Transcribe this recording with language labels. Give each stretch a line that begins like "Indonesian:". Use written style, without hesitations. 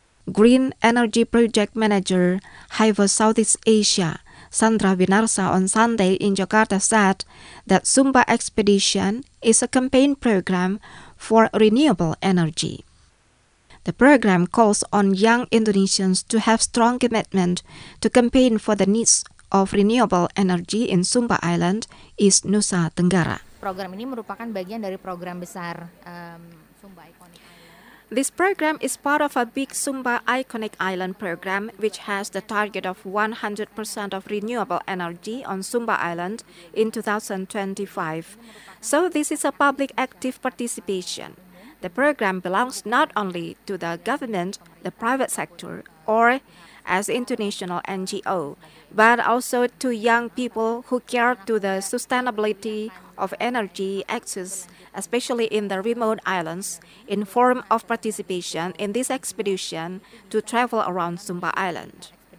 English: Green Energy Project Manager, HIFOS Southeast Asia, Sandra Winarsa on Sunday in Jakarta said that Sumba Expedition is a campaign program for renewable energy. The program calls on young Indonesians to have strong commitment to campaign for the needs of renewable energy in Sumba Island, East Nusa Tenggara.
Indonesian: Program ini merupakan bagian dari program besar Sumba Iconic Island.
English: This program is part of a big Sumba Iconic Island program, which has the target of 100% of renewable energy on Sumba Island in 2025. So this is a public active participation. The program belongs not only to the government, the private sector, or as international NGO, but also to young people who care to the sustainability of energy access, especially in the remote islands, in form of participation in this expedition to travel around Sumba Island.